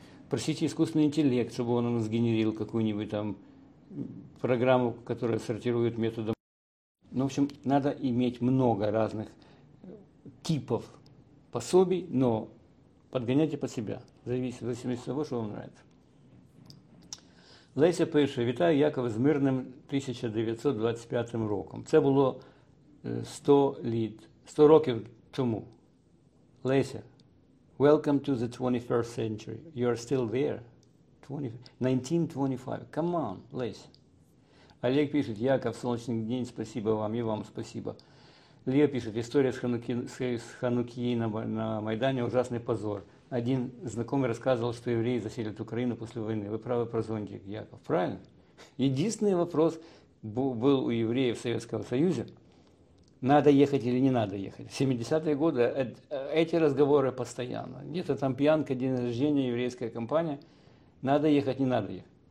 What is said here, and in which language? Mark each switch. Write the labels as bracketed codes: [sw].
[ru] Просите искусственный интеллект, чтобы он у нас генерил какую-нибудь там программу, которая сортирует методом. Ну, в общем, надо иметь много разных типов пособий, но подгоняйте под себя, в зависимости от того, что вам нравится. [uk] Леся пише, вітаю Яков з мирним 1925 роком. Це було 100 років тому. [en] Леся, welcome to the 21st century. You are still there. 1925. Come on, Леся. [uk] Олег пише, Яков, сонячний день, спасибо вам і вам спасибо. Лія пише, історія з Ханукії на Майдані – ужасний позор. [ru] Один знакомый рассказывал, что евреи заселят Украину после войны. Вы правы про зонтик, Яков. Правильно? Единственный вопрос был у евреев Советского Союза. Надо ехать или не надо ехать. В 70-е годы эти разговоры постоянно. Где-то там пьянка, день рождения, еврейская компания. Надо ехать, не надо ехать.